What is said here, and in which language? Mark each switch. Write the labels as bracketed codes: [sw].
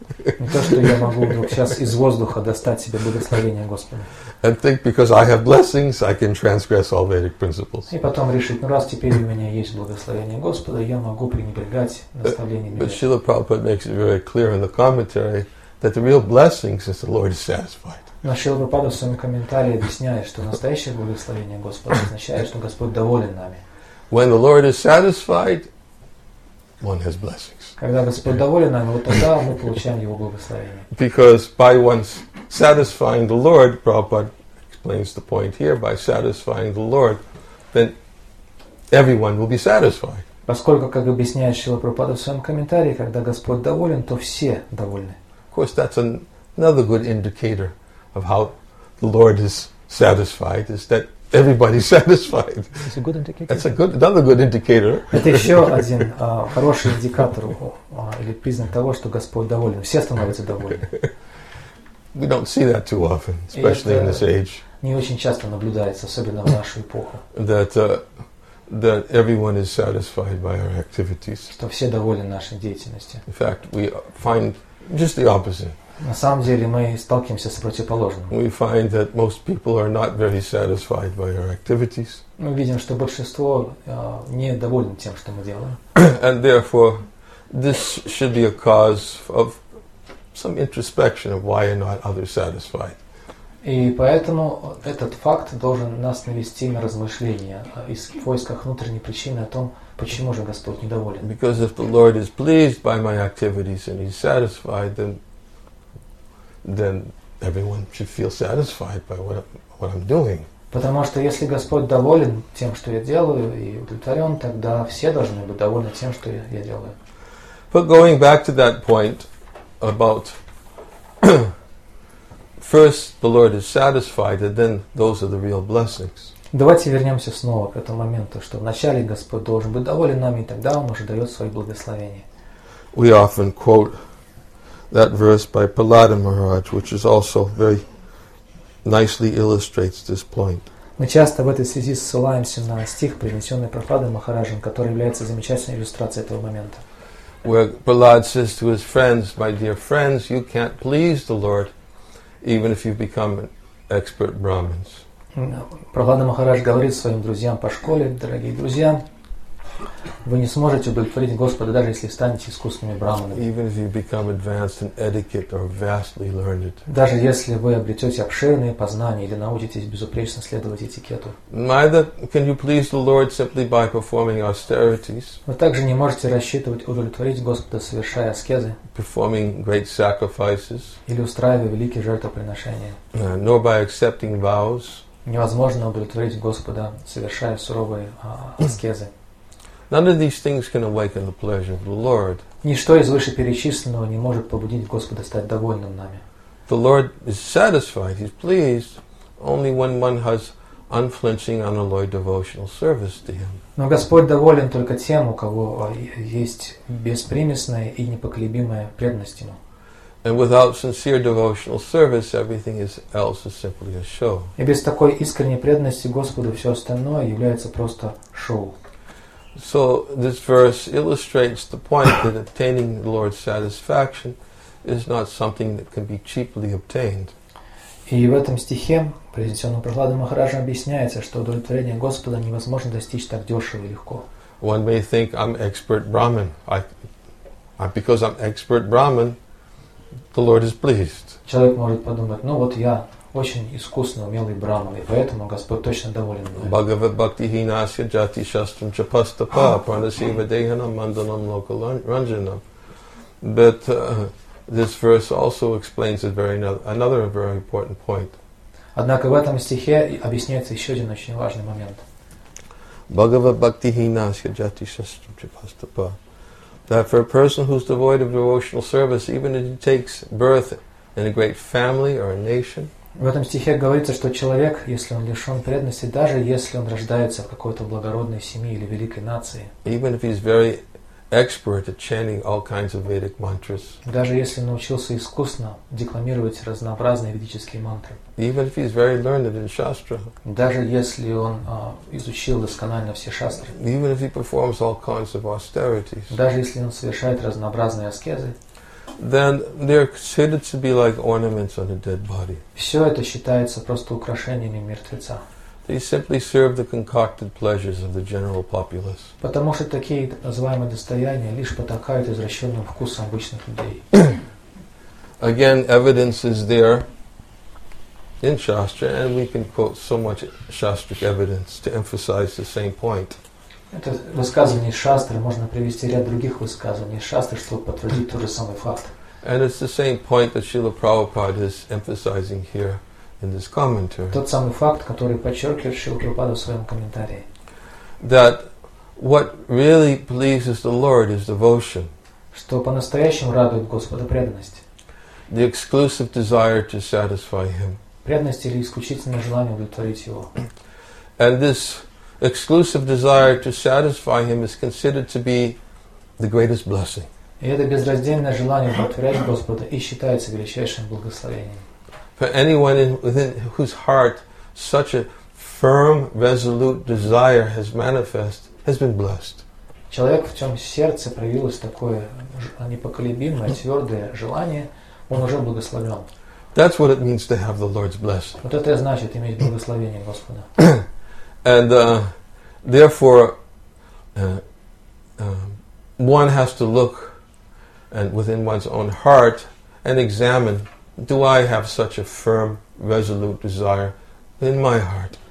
[ru] Не то, что я могу вдруг сейчас из воздуха достать себе благословение Господа. [en] And think because I have blessings, I can transgress all Vedic principles. [ru] И потом решить, ну раз теперь у меня есть благословение Господа, я могу пренебрегать наставлениями. [en] But Srila Prabhupada makes it very clear in the commentary that the real blessings is the Lord is satisfied. [ru] Но Шрила Прабхупада в своем комментарии объясняет, что настоящее благословение Господа означает, что Господь доволен нами. [en] When the Lord is satisfied, one has blessings. [ru] Когда Господь доволен нами, вот тогда мы получаем Его благословение. [en] Because by one's satisfying the Lord, Prabhupada explains the point here, by satisfying the Lord, then everyone will be satisfied. Поскольку, как объясняет Шрила Прабхупада в своем комментарии, когда Господь доволен, то все довольны. Of course, that's another good indicator of how the Lord is satisfied, is that everybody's satisfied. It's a good indicator. That's another good indicator. [ru] Это еще один хороший индикатор или признак того, что Господь доволен. Все становятся довольны. [en] We don't see that too often, especially in this age. [ru] Не очень часто наблюдается, особенно в нашу эпоху. [en] That everyone is satisfied by our activities. [ru] Что все довольны нашей деятельностью. [en] In fact, we find just the opposite. [ru] На самом деле мы сталкиваемся с противоположным. [en] We find that most people are not very satisfied by our activities. [ru] Мы видим, что большинство не довольны тем, что мы делаем. [en] And therefore, this should be a cause of some introspection of why are not others satisfied. [ru] И поэтому этот факт должен нас навести на размышления из поисках внутренней причины о том, почему же Господь недоволен. [en] Because if the Lord is pleased by my activities and He's satisfied, then everyone should feel satisfied by what I'm doing. [ru] Потому что если Господь доволен тем, что я делаю, и удовлетворен, тогда все должны быть довольны тем, что я делаю. [en] But going back to that point about first, the Lord is satisfied, and then those are the real blessings. [ru] Давайте вернемся снова к этому моменту, что вначале Господь должен быть доволен нами, и тогда Он уже дает свои благословения. [en] We often quote that verse by Prahlada Maharaj, which is also very nicely illustrates this point. [ru] Мы часто в этой связи ссылаемся на стих, принесенный Прахладой Махараджем, который является замечательной иллюстрацией этого момента. [en] Where Prahlad says to his friends, "My dear friends, you can't please the Lord." Even if you've become an expert brahmins. [ru] Прахлада Махарадж говорит своим друзьям по школе, дорогие друзья, вы не сможете удовлетворить Господа, даже если станете искусными брахманами. [en] Even if you become advanced in etiquette or vastly learned. [ru] Даже если вы обретете обширные познания или научитесь безупречно следовать этикету. [en] Neither can you please the Lord simply by performing austerities. [ru] Вы также не можете рассчитывать удовлетворить Господа, совершая аскезы. [en] Performing great sacrifices. [ru] Или устраивая великие жертвоприношения. [en] Nor by accepting vows. [ru] Невозможно удовлетворить Господа, совершая суровые аскезы. [en] None of these things can awaken the pleasure of the Lord. [ru] Ничто из вышеперечисленного не может побудить Господа стать довольным нами. [en] The Lord is satisfied, He's pleased, only when one has unflinching, unalloyed devotional service to Him. [ru] Но Господь доволен только тем, у кого есть беспримесная и непоколебимая преданность Ему. [en] And without sincere devotional service, everything else is simply a show. [ru] И без такой искренней преданности Господу все остальное является просто шоу. [en] So this verse illustrates the point that attaining the Lord's satisfaction is not something that can be cheaply obtained. [ru] И в этом стихе, произнесённом Прахладой Махараджем, объясняется, что удовлетворение Господа невозможно достичь так дёшево и легко. [en] One may think I'm expert Brahmin. Because I'm expert Brahmin, the Lord is pleased. [ru] Человек может подумать: "Ну вот я очень искусный, умелый брахман, и поэтому Господь точно доволен мной". [sa] Bhagavad bhakti hinasya jati shastram chapastapa pranasiva dehanam mandalam lokal ranjanam. [en] But this verse also explains another very important point. [ru] Однако в этом стихе объясняется еще один очень важный момент. [sa] Bhagavad bhakti hinasya jati shastram chapastapa. [en] That for a person who's devoid of devotional service, even if he takes birth in a great family or a nation. [ru] В этом стихе говорится, что человек, если он лишен преданности, даже если он рождается в какой-то благородной семье или великой нации, [en] even if he's very expert at chanting all kinds of Vedic mantras, [ru] даже если научился искусно декламировать разнообразные ведические мантры, [en] even if he's very learned in shastra, [ru] даже если он изучил досконально все шастры, [en] even if he performs all kinds of austerities, [ru] даже если он совершает разнообразные аскезы, [en] then they're considered to be like ornaments on a dead body. [ru] Все это считается просто украшениями мертвеца. [en] They simply serve the concocted pleasures of the general populace. [ru] Потому что такие называемые достояния лишь потакают извращенным вкусам обычных людей. [en] Again, evidence is there in Shastra, and we can quote so much Shastric evidence to emphasize the same point. [ru] Это высказывание Шастры, можно привести ряд других высказываний Шастры, чтобы подтвердить тот же самый факт. [en] And it's the same point that Srila Prabhupada is emphasizing here in this commentary. [ru] Тот самый факт, который подчеркивает Шрила Прабхупада в своем комментарии. [en] That What really pleases the Lord is devotion. [ru] Что по-настоящему радует Господа преданность. [en] The exclusive desire to satisfy Him. [ru] Преданность или исключительное желание удовлетворить Его. [en] And this exclusive desire to satisfy Him is considered to be the greatest blessing. [ru] И это безраздельное желание удовлетворять Господа и считается величайшим благословением. [en] For anyone within whose heart such a firm, resolute desire has manifest, has been blessed. [ru] Человек, в чем сердце проявилось такое непоколебимое, твердое желание, он уже благословен. [en] That's what it means to have the Lord's blessing. [ru] Вот это и значит иметь благословение Господа. [en] And therefore, one has to look and within one's own heart and examine, do I have such a firm, resolute desire in my heart?